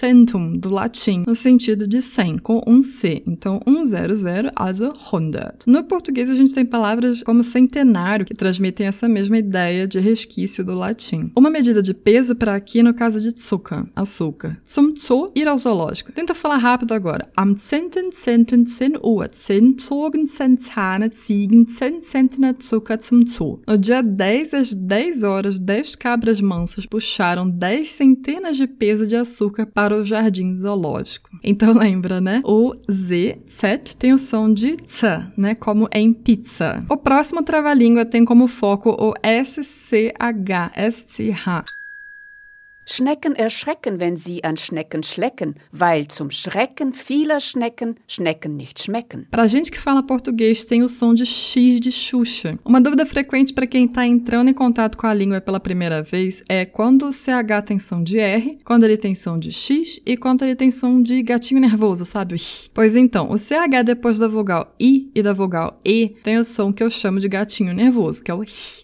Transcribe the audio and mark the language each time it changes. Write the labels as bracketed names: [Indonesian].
[Portuguese] Centum do latim, no sentido de 100, com um C. Então, 100, also 100. No português, a gente tem palavras como centenário, que transmitem essa mesma ideia de resquício do latim. Uma medida de peso para aqui, no caso de Zucker, açúcar. [German] Zum Zoo, [Portuguese] ir ao zoológico. Tenta falar rápido agora. [German] Am 10.10.10 Uhr, 10 zogen 10 Zahne, ziegen 10 Zentner Zucker zum Zoo. [Portuguese] No dia 10, às 10 horas, 10 cabras mansas puxaram 10 centenas de peso de açúcar para o jardim zoológico. Então lembra, né? O Z, set, tem o som de Z, né? Como em pizza. O próximo trava-língua tem como foco o SCH, SCH. [German] Schnecken erschrecken, wenn sie an Schnecken schlecken, weil zum Schrecken vieler Schnecken Schnecken nicht schmecken. [Portuguese] Pra gente que fala português, tem o som de X de Xuxa. Uma dúvida frequente para quem tá entrando em contato com a língua pela primeira vez é quando o CH tem som de R, quando ele tem som de X e quando ele tem som de gatinho nervoso, sabe? Pois então, o CH depois da vogal I e da vogal E tem o som que eu chamo de gatinho nervoso, que é o X.